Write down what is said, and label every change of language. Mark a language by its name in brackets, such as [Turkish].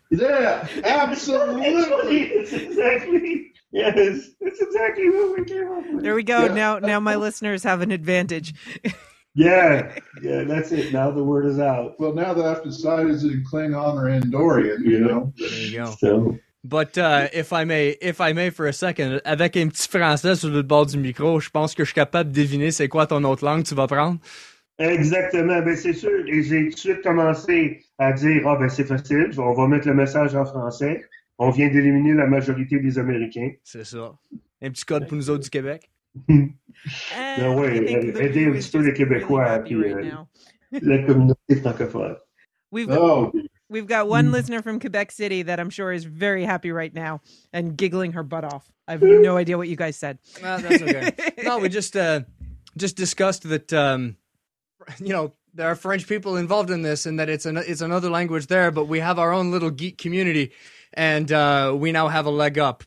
[English] Yeah, absolutely. It's exactly what we came up with. There we go. Yeah. Now my listeners have an advantage. Yeah, that's it. Now the word is out. Well, now they have to decide, is it in Klingon or Andorian, you know? There you go. But if I may, for a second, [French] avec un petit français sur le bord du micro, je pense que je suis capable de deviner c'est quoi ton autre langue tu vas prendre. Exactement, ben c'est sûr. Et j'ai tout de suite commencé à dire, ah ben c'est facile, on va mettre le message en français. On vient d'éliminer la majorité des Américains. C'est ça. Un petit code pour nous autres du Québec. Ben oui, aider un petit peu les Québécois et la communauté francophone. [English] We've got one listener from Quebec City that I'm sure is very happy right now and giggling her butt off. I have no idea what you guys said. No, that's okay. No, we just discussed that, you know, there are French people involved in this and that it's another language there, but we have our own little geek community and we now have a leg up.